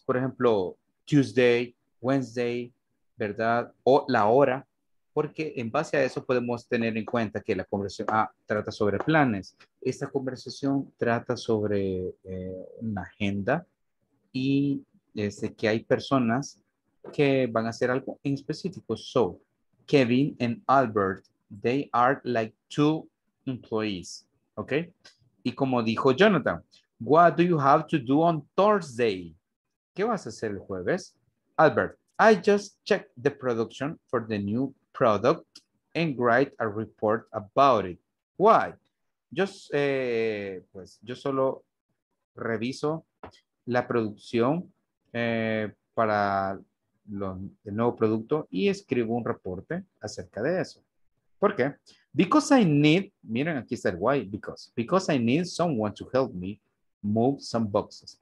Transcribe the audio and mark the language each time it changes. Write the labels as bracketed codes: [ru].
[es] Por ejemplo, Tuesday, Wednesday, ¿verdad? O la hora. Porque en base a eso podemos tener en cuenta que la conversación trata sobre planes. Esta conversación trata sobre una agenda y que hay personas que van a hacer algo en específico. [en] So, Kevin and Albert, they are like two employees, okay? [es] Y como dijo Jonathan, [en] what do you have to do on Thursday? [es] ¿Qué vas a hacer el jueves? [en] Albert, I just checked the production for the new product and write a report about it. Why? [es] Yo solo reviso la producción para el nuevo producto y escribo un reporte acerca de eso. ¿Por qué? [en] Because I need, [es] miren aquí está el [en] why, because I need someone to help me move some boxes.